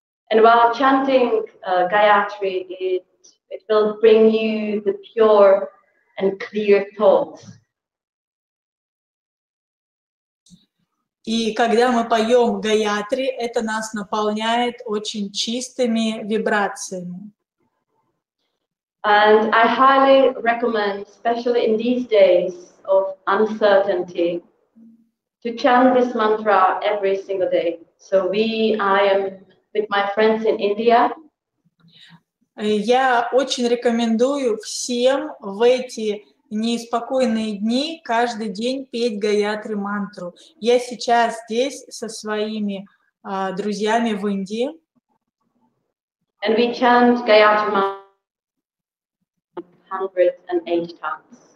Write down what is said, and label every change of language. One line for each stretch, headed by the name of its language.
English: And while chanting Gayatri, it will bring you the pure and clear thoughts.
Russian: И когда мы поем Гаятри, это нас наполняет очень чистыми вибрациями.
English: And I highly recommend, especially in these days of uncertainty, to chant this mantra every single day. So I am with my friends in India.
Russian: Я очень рекомендую всем в эти неспокойные дни каждый день петь Гаятри мантру. Я сейчас здесь со своими друзьями в Индии.
English: And we chant Gayatri mantra 108 times.